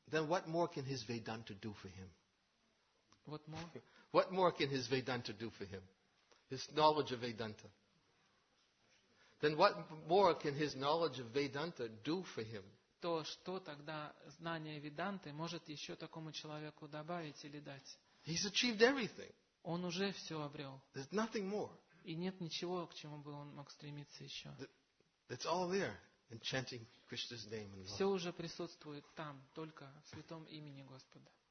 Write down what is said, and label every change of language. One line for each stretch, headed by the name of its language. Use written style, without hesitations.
English: then what more can his Vedanta do for him? What more? What more can his Vedanta do for him? His knowledge of Vedanta. Then what more can his knowledge of Vedanta do for him?
Russian: То, что тогда знание Веданты может еще такому человеку добавить или дать?
English: He's achieved everything.
Russian: Он уже все обрел.
English: There's nothing more.
Russian: И нет ничего, к чему бы он мог стремиться еще.
English: It's all there in chanting Krishna's name and love.
Russian: Все уже присутствует там, только в святом имени Господа.